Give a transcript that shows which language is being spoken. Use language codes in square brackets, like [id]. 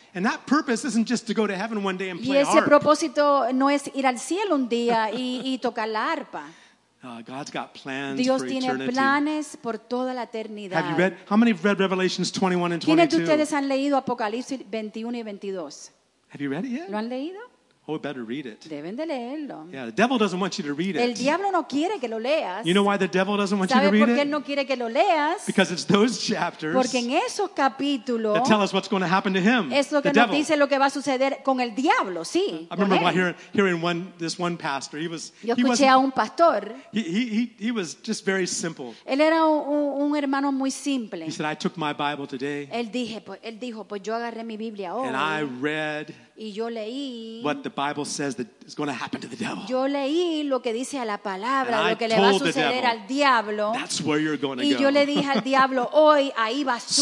[en] And that purpose isn't just to go to heaven one day and play [es] y ese [en] harp. [es] Propósito no es ir al cielo un día y tocar la arpa. [en] God's got plans [es] Dios [en] for [es] tiene [en] eternity. [es] Planes por toda la eternidad. [en] Have you read, how many have read Revelations 21 and 22? [es] ¿Quiénes de ustedes han leído Apocalipsis 21 y 22? [en] Have you read it yet? [es] ¿Lo han leído? [en] Oh, we better read it. [es] Deben de leerlo. [en] Yeah, the devil doesn't want you to read it. [es] El diablo no quiere que lo leas. [en] You know why the devil doesn't want you to read it? [es] ¿Sabe por qué no quiere que lo leas? [en] Because it's those chapters. [es] Porque en esos capítulos. [en] That tell us what's going to happen to him. [es] Es lo que nos dice lo que va a suceder con el diablo, sí. [en] I remember hearing this one pastor. He was. [es] Yo escuché a un pastor. [en] He was just very simple. [es] Él era un hermano muy simple. [en] He said, "I took my Bible today." [es] Él dijo, pues yo agarré mi Biblia hoy. [en] And I read. [es] Y yo leí [en] what the Bible says that is going to happen to the devil. [es] Yo leí lo que dice a la palabra, [en] and [es] lo que le va a suceder [en] devil, [es] al diablo. [en] That's where you're going to [es] y [en] go. [es] Y yo le dije al diablo, hoy ahí vas tú.